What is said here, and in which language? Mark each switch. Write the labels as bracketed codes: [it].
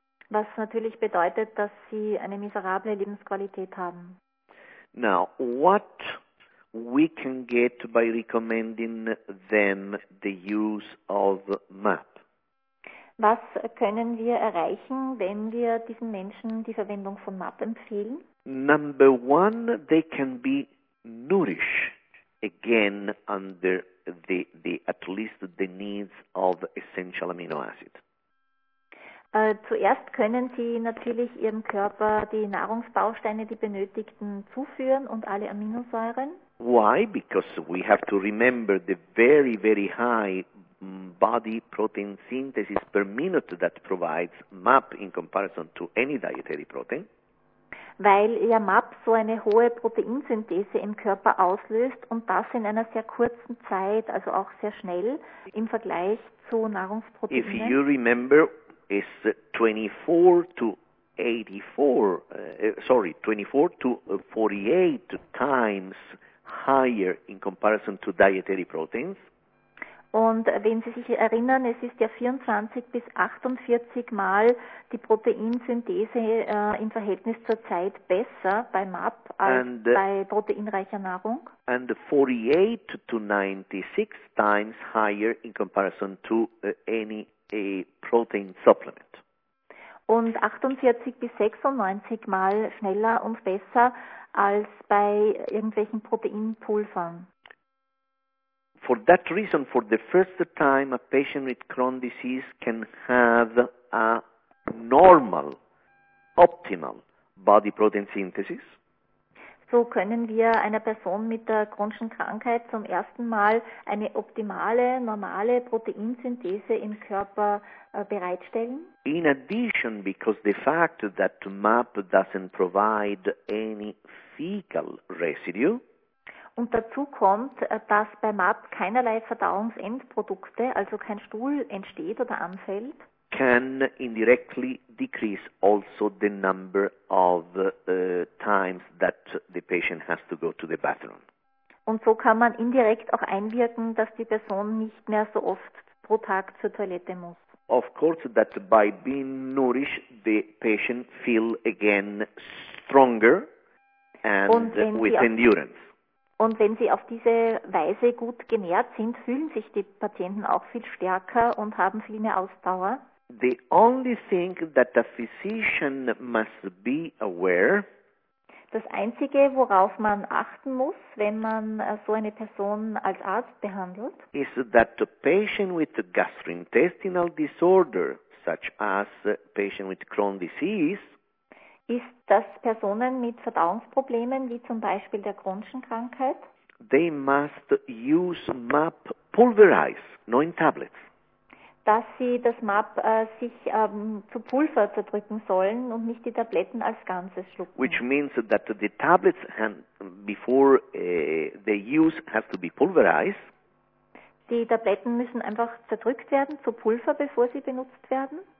[de] Was natürlich bedeutet, dass Sie eine miserable Lebensqualität haben. [en] Now, what we can get by recommending them the use of MAP? [de] Was können wir erreichen, wenn wir diesen Menschen die Verwendung von MAP empfehlen? [en] Number one, they can be nourished again under the at least the needs of essential amino acid. [de] Zuerst können Sie natürlich Ihrem Körper die Nahrungsbausteine, die benötigten, zuführen und alle Aminosäuren. [en] Why? Because we have to remember the very, very high body protein synthesis per minute that provides MAP in comparison to any dietary protein. [de] Weil ja MAP so eine hohe Proteinsynthese im Körper auslöst und das in einer sehr kurzen Zeit, also auch sehr schnell im Vergleich zu Nahrungsproteinen. [en] If you remember, is 24 to 48 times higher in comparison to dietary proteins. [de] Und wenn Sie sich erinnern, es ist ja 24 bis 48 Mal die Proteinsynthese im Verhältnis zur Zeit besser bei MAP als bei proteinreicher Nahrung. [en] And 48 to 96 times higher in comparison to any protein supplement. [de] Und 48 bis 96 Mal schneller und besser als bei irgendwelchen Proteinpulvern. [en] For that reason, for the first time, a patient with Crohn's disease can have a normal, optimal body protein synthesis. [de] So können wir einer Person mit der Crohn'schen Krankheit zum ersten Mal eine optimale, normale Proteinsynthese im Körper bereitstellen. [en] In addition, because the fact that MAP doesn't provide any fecal residue. [de] Und dazu kommt, dass bei MAP keinerlei Verdauungsendprodukte, also kein Stuhl entsteht oder anfällt. [en] Can indirectly decrease also the number of times that the patient has to go to the bathroom. [de] Und so kann man indirekt auch einwirken, dass die Person nicht mehr so oft pro Tag zur Toilette muss. [en] Of course, that by being nourished, the patient feel again stronger and with endurance. [de] Und wenn Sie auf diese Weise gut genährt sind, fühlen sich die Patienten auch viel stärker und haben viel mehr Ausdauer. [en] The only thing that the physician must be aware. [de] Das Einzige, worauf man achten muss, wenn man so eine Person als Arzt behandelt, [en] is that a patient with a gastrointestinal disorder, such as a patient with Crohn's disease, [de] ist, dass Personen mit Verdauungsproblemen, wie zum Beispiel der Crohn'schen Krankheit, [en] they must use MAP pulverized, not in tablets. [de] Dass sie das MAP sich zu Pulver zerdrücken sollen und nicht die Tabletten als Ganzes schlucken. [en] Which means that the tablets before they use have to be pulverized. [de] Die Tabletten müssen einfach zerdrückt werden zu Pulver, bevor sie benutzt werden.